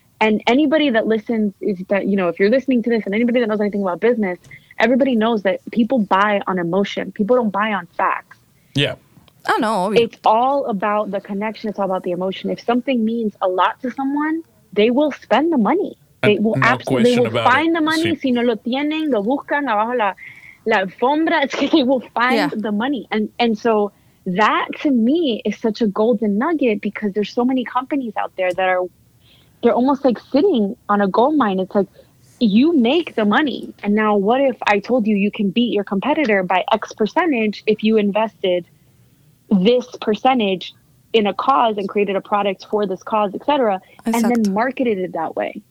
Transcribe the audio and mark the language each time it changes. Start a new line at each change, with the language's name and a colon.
English: And anybody that listens, if you're listening to this and anybody that knows anything about business, everybody knows that people buy on emotion. People don't buy on facts. Yeah. I know. It's all about the connection. It's all about the emotion. If something means a lot to someone, they will spend the money. They will find the money.
Spanish: Sí. Si no lo tienen, lo buscan abajo la alfombra.
English: They will find the money. And so that to me is such a golden nugget because there's so many companies out there that are, they're almost like sitting on a gold mine. It's like you make the money. And now what if I told you you can beat your competitor by X percentage if you invested this percentage in a cause and created a product for this cause, et cetera, and then marketed it that way.